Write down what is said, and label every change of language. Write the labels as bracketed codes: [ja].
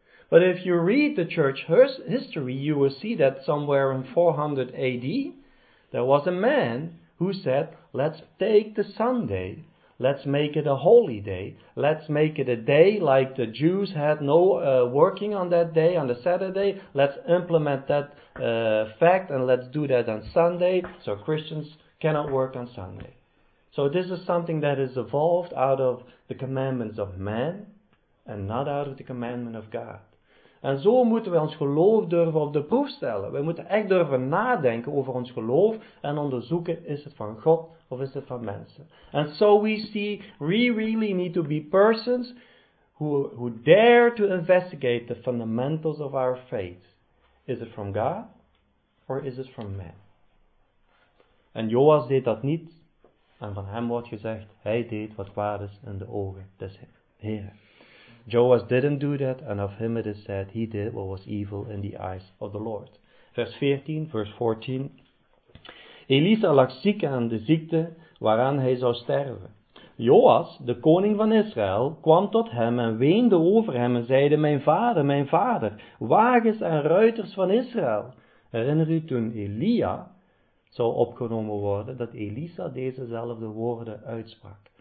[en] But if you read the church history, you will see that somewhere in 400 AD, there was a man who said, let's take the Sunday, let's make it a holy day, let's make it a day like the Jews had no working on that day, on the Saturday, let's implement that fact and let's do that on Sunday, so Christians cannot work on Sunday. So this is something that has evolved out of the commandments of man and not out of the commandment of God. [nl] En zo moeten we ons geloof durven op de proef stellen. We moeten echt durven nadenken over ons geloof en onderzoeken, is het van God of is het van mensen? [en] And so we see, we really need to be persons who dare to investigate the fundamentals of our faith. Is it from God or is it from man? [nl] En Joas deed dat niet en van hem wordt gezegd, hij deed wat kwaad is in de ogen des Heeren. [en] Joas didn't do that, and of him it is said, he did what was evil in the eyes of the Lord. [nl] Vers 14. Elisa lag ziek aan de ziekte waaraan hij zou sterven. Joas, de koning van Israël, kwam tot hem en weende over hem en zeide, mijn vader, wagens en ruiters van Israël. Herinner u toen Elia zou opgenomen worden, dat Elisa dezezelfde woorden uitsprak.